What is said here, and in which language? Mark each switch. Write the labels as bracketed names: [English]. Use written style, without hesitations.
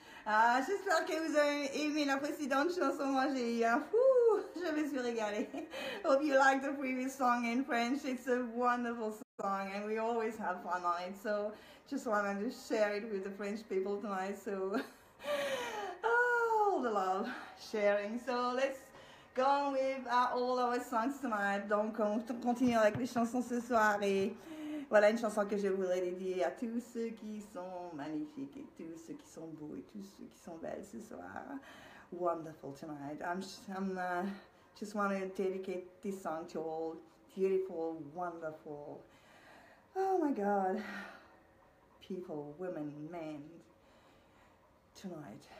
[French] Ah, j'espère que vous avez aimé la précédente chanson. Moi, j'ai eu un fou. Je me suis régalée. [English] Hope you liked the previous song in French. It's a wonderful song and we always have fun on it. So, just wanted to share it with the French people tonight. So, oh, the love sharing. So, let's go on with all our songs tonight. [French] Donc, on continue avec les chansons ce soir et... Voilà une chanson que je voulais dédier à tous ceux qui sont magnifiques et tous ceux qui sont beaux et tous ceux qui sont belles ce soir. [English] Wonderful tonight. I just want to dedicate this song to all beautiful, wonderful, oh my God, people, women, men, tonight.